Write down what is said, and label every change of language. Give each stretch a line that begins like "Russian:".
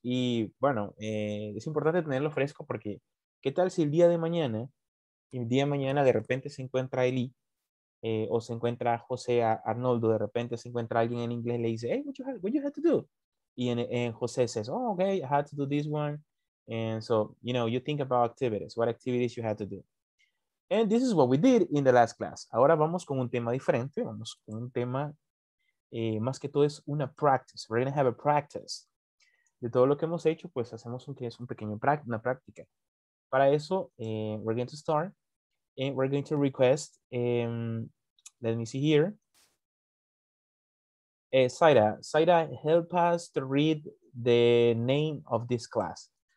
Spanish: Y bueno, es importante tenerlo fresco porque ¿qué tal si el día de mañana de repente se encuentra Eli o se encuentra José Arnoldo, de repente se encuentra alguien en inglés y le dice,
English: hey, what you had to do? Y en José says, oh, okay, I had to do this one. And so, you know, you think about activities, what activities you had to do. And this is what we did in the last class.
Spanish: Ahora vamos con un tema diferente, vamos con un tema... más que todo es una practice.
English: We're going to have a practice.
Spanish: De todo lo que hemos hecho, pues hacemos un que es un pequeño una práctica. Para eso,
English: we're going to start. And we're going to request, let me see here. Zaira, help us to read the name of this class.